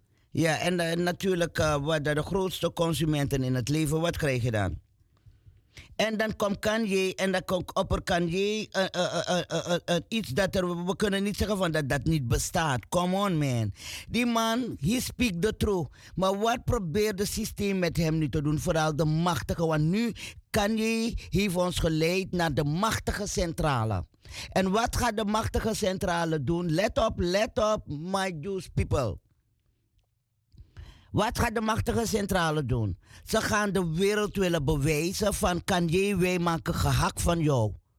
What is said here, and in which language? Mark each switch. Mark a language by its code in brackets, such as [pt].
[nl] Ja, en natuurlijk de grootste consumenten in het leven. Wat krijg je dan? En dan komt Kanye en dan komt opper Kanye. Iets dat er, we kunnen niet zeggen van dat dat niet bestaat. [en] Come on, man. Die man, he speak the truth. [nl] Maar wat probeert het systeem met hem nu te doen? Vooral de machtige. Want nu Kanye heeft ons geleid naar de machtige centrale. En wat gaat de machtige centrale doen? Let op, [en] my Jewish people. [nl] Wat gaat de machtige centrale doen? Ze gaan de wereld willen bewijzen van Kanye, wij maken gehakt van jou.